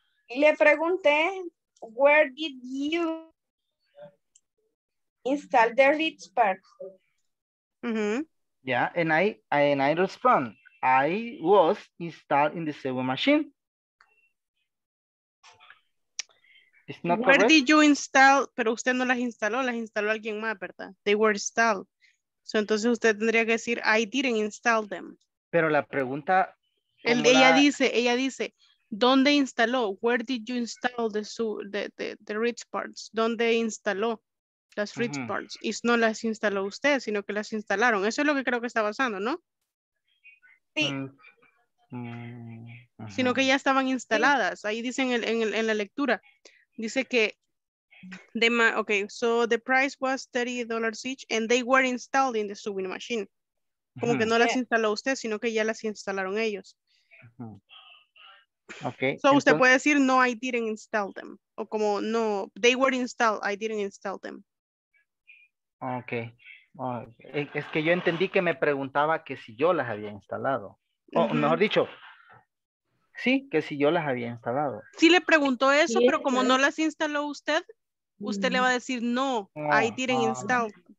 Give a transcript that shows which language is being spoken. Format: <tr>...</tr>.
<es>Le pregunté,</es> <en>where did you install the reach part? Mm-hmm. Yeah, and I respond, I was installed in the sewing machine. It's not where correct. Did you install?</en> <es>Pero usted no las instaló alguien más, ¿verdad?</es> <en>They were installed. So</en> <es>entonces usted tendría que decir,</es> <en>I didn't install them.</en> <es>Pero la pregunta... Ella dice, ¿dónde instaló?</es> <en>Where did you install the reach parts?</en> <es>¿Dónde instaló las reach uh-huh. parts? Y no las instaló usted, sino que las instalaron. Eso es lo que creo que está pasando, ¿no? Sí. Mm. Uh-huh. Sino que ya estaban instaladas. Ahí dice en la lectura. Dice que...</es> <en>okay, so the price was $30 each and they were installed in the sewing machine.</en> <es>Como que no las instaló usted, sino que ya las instalaron ellos.</es> <en>Okay. So</en> <es>usted puede decir,</es> <en>no, I didn't install them.</en> <es>O como,</es> <en>no, they were installed, I didn't install them. Okay.</en> <es>Es que yo entendí que me preguntaba que si yo las había instalado. O uh-huh. mejor dicho, sí, que si yo las había instalado. Sí le preguntó eso, pero como no las instaló usted, usted le va a decir, no,</es> <en>I didn't install.</en>